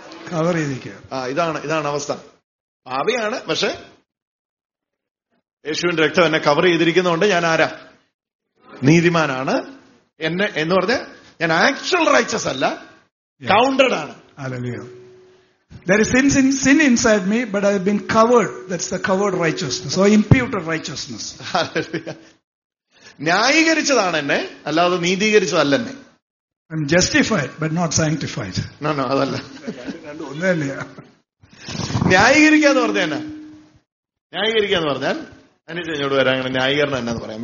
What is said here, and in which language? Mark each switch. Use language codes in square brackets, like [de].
[ml] Cover ചെയ്തിരിക്കുക. ആ ഇതാണ്, ഇതാണ് അവസ്ഥ. പാപിയാണ്, പക്ഷെ യേശുവിന്റെ രക്തം എന്നെ കവർ ചെയ്തിരിക്കുന്നതുകൊണ്ട് ഞാൻ ആരാ? നീതിമാനാണ്. എന്നെ എന്ന് പറഞ്ഞ ഞാൻ [en] actual riches [ml] അല്ല, [en] counted [ml] ആണ്. [en] There is sin, sin inside me, but I have been covered. That's the covered righteousness, or imputed righteousness. [ml] ന്യായീകരിച്ചതാണ് എന്നെ, അല്ലാതെ നീതീകരിച്ചതല്ല എന്നെ. [en] I'm justified, but not sanctified. No, no, [ml] അതല്ല. ഒന്നല്ലേ ന്യായീകരിക്കുക എന്ന് പറഞ്ഞ എന്നാ? ന്യായീകരിക്കുക എന്ന് പറഞ്ഞാൽ അനിച്ച എന്നോട് വരാം, അങ്ങനെ ന്യായീകരണം എന്നാന്ന് പറയാം.